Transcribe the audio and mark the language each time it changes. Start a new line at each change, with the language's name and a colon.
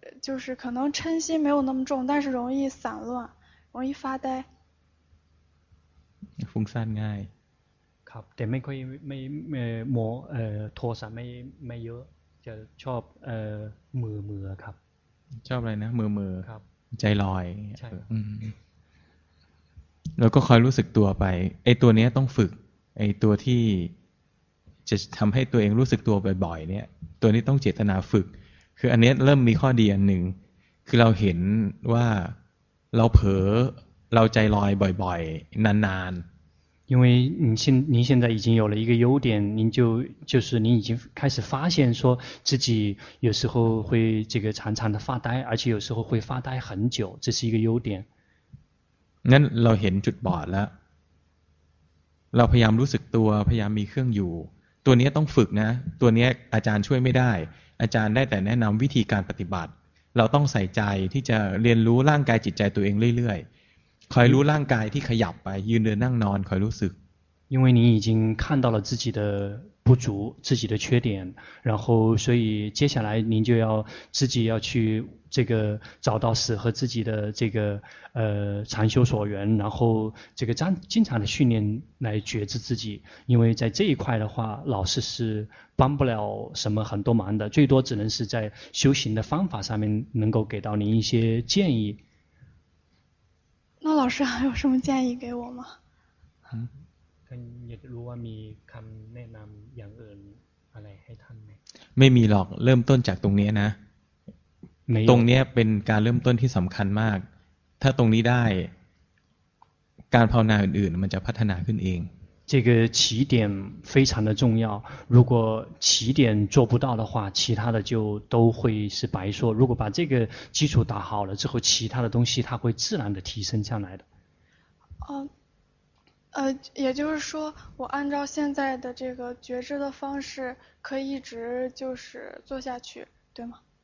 Chinese: 就是可能嗔心没有那么重，但是容易散乱，容易发呆。
Thai: ฟุ้งซ่านง่าย。 ครับ，แต่ไม่ค่อย ไม่ โทรศัพท์ไม่เยอะ，จะชอบเมื่อครับ。 ชอบอะไรนะเมื่อ ครับ。 ใจลอย。 ใ ช่。 แล้วก็คอยรู้สึกตัวไป，ไอ้ตัวนี้ต้องฝึก，ไอ้ตัวที่จะทำให้ตัวเองรู้สึกตัวบ่อยๆเนี่ย，ตัวนี้ต้องเจตนาฝึกคืออันนี้เริ่มมีข้อดีอันหนึ่งคือเราเห็นว่าเราเผลอเราใจลอยบ่อยๆนาน
Chinese: ๆ因为您现在已经有了一个优点您就是您已经开始发现说自己有时候会这个常常的发呆而且有时候会发呆很久这是一个优点
Thai: งั้นเราเห็นจุดบอดแล้วเราพยายามรู้สึกตัวพยายามมีเครื่องอยู่ตัวนี้ต้องฝึกนะตัวนี้อาจารย์ช่วยไม่ได้อาจารย์ได้แต่แนะนำวิธีการปฏิบัติเราต้องใส่ใจที่จะเรียนรู้ร่างกายจิตใจตัวเองเรื่อยๆคอยรู้ร่างกายที่ขยับไปยืนเดินนั่งนอนคอยรู้สึก
Chinese: 因为你已经看到了自己的不足自己的缺点然后所以接下来您就要自己要去这个找到适合自己的这个禅修所缘然后这个经常的训练来觉知自己因为在这一块的话老师是帮不了什么很多忙的最多只能是在修行的方法上面能够给到您一些建议那老师还有什么建议给我吗
Thai: ท่านอยากรู้ว่ามีคำแนะนำอย่างอื่นอะไรให้ท่านไหม ไม่มีหรอกเริ่มต้นจากตรงนี้นะตรงนี้เป็นการเริ่มต้นที่สำคัญมากถ้าตรงนี้ได้การภาวนาอื่นๆมันจะพัฒนาขึ้นเอง
Chinese: 这个起点非常的重要如果起点做不到的话其他的就都会是白说如果把这个基础打好了之后其他的东西它会自然的提升上来的也就是说我按照现在的这个觉知的方式可以一直就是做下去对吗